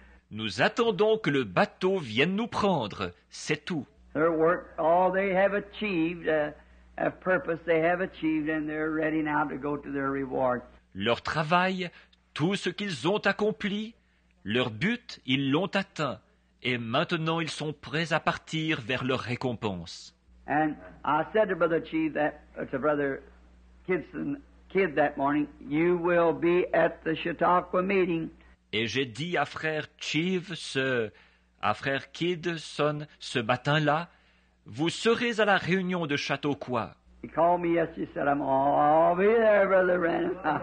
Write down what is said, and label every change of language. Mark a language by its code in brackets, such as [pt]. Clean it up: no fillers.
[fr] Nous attendons que le bateau vienne nous prendre, c'est tout. [en] Their work, all they have achieved, a purpose they have achieved, and they're ready now to go to their reward. [fr] Leur travail, tout ce qu'ils ont accompli, leur but, ils l'ont atteint. Et maintenant, ils sont prêts à partir vers leur récompense. [en] And I said to Brother Chief that, to Brother Kidson, Kid that morning, you will be at the Chautauqua meeting. [fr] Et j'ai dit à Frère Chief, à Frère Kidson, ce matin-là, vous serez à la réunion de Chautauqua. [en] He called me, yes, he said, I'll be there, Brother Renner.